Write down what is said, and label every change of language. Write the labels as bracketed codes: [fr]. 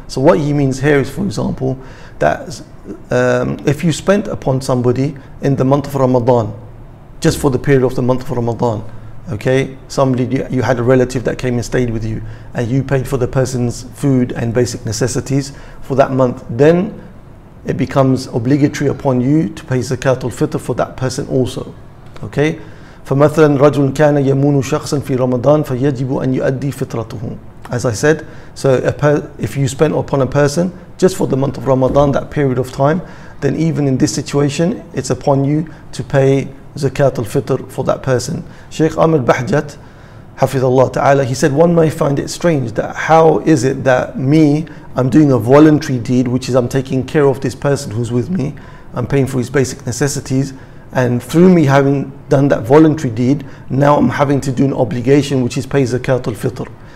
[en] So what he means here is, for example, that if you spent upon somebody in the month of Ramadan, just for the period of the month of Ramadan, okay, somebody, you had a relative that came and stayed with you, and you paid for the person's food and basic necessities for that month, then it becomes obligatory upon you to pay Zakat al-Fitr for that person also, okay? [ar] فمثلا رجل كان يمون شخصا في رمضان فيجب أن يؤدي فطرته. [en] As I said, so if you spend upon a person just for the month of Ramadan, that period of time, then even in this situation, it's upon you to pay Zakat al-Fitr for that person. Sheikh Amir Bahjat, [ar] حفظ الله تعالى, [en] he said, one may find it strange that how is it that me, I'm doing a voluntary deed, which is I'm taking care of this person who's with me, I'm paying for his basic necessities, and through me having done that voluntary deed, now I'm having to do an obligation, which is pay Zakat al-Fitr.